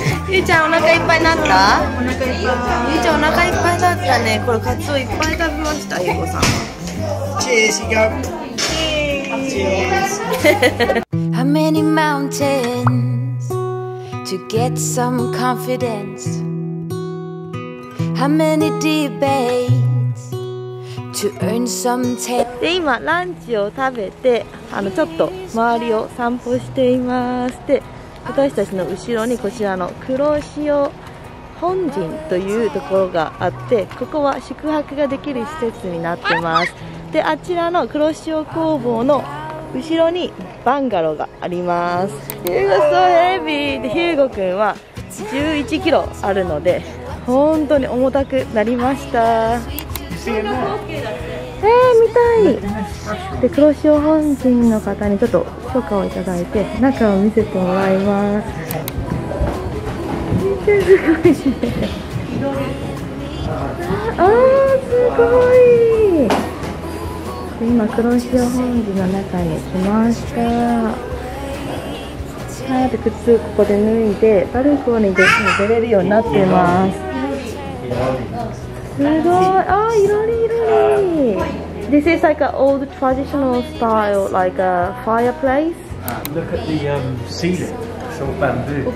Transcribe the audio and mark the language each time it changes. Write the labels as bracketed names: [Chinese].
[Japanese] ゆーちゃんお腹いっぱいになった？ゆーちゃんお腹いっぱいだったね。これカツオいっぱい食べました、ゆーこさん。 [English] How many mountains to get some confidence? How many debates to earn some taste? [Japanese] で、今ランチを食べて、ちょっと周りを散歩しています。で、私たちの後ろにこちらの黒潮本陣というところがあって、ここは宿泊ができる施設になってます。で、あちらの黒潮工房の後ろにバンガローがあります。 [English] ヒューゴ so heavy! [Japanese] ヒューゴくんは11キロあるので本当に重たくなりました。見たい。で、黒潮本陣の方にちょっと許可をいただいて中を見せてもらいます。すごいね。あー、すごい。今黒潮本陣の中に来ました。早く靴ここで脱いでバルコニーで出れるようになってます。すごい。あー、いろりいろり。 [English] This is like an old traditional style, like a fireplace. Look at the ceiling, it's all bamboo.